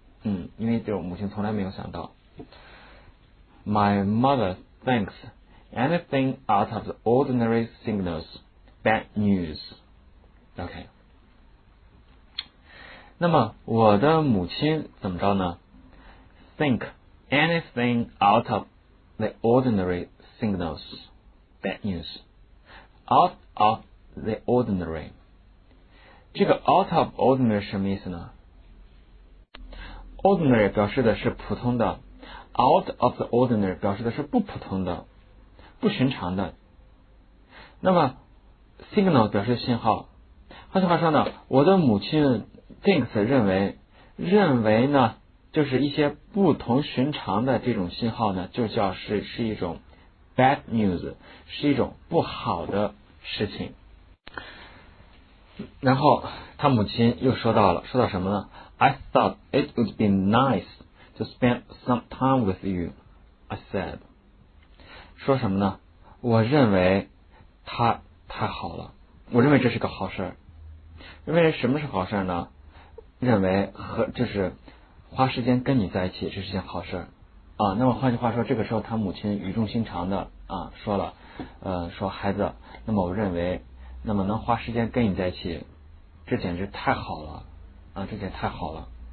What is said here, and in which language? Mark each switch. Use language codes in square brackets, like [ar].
[zh] 因为就母亲从来没有想到。 [en] My mother thinks anything out of the ordinary signals bad news. OK。 [zh] 那么我的母亲怎么着呢？ [en] think anything out of the ordinary signals bad news. [zh] out of the ordinary， 这个 out of ordinary 什么意思呢？ ordinary 表示的是普通的， out of the ordinary 表示的是不普通的，不寻常的。那么 signal 表示信号，换句话说呢，我的母亲thinks 认为呢，就是一些不同寻常的这种信号呢，就叫是一种 bad news， 是一种不好的事情。然后他母亲又说到什么呢？ [en] I thought it would be nice to spend some time with you， I said， [zh] 说什么呢？我认为他太好了，我认为这是个好事。认为什么是好事呢？认为和就是花时间跟你在一起，这是件好事啊。那么换句话说，这个时候他母亲语重心长的啊说了，说孩子，那么我认为，那么能花时间跟你在一起，这简直太好了啊，这简直太好了。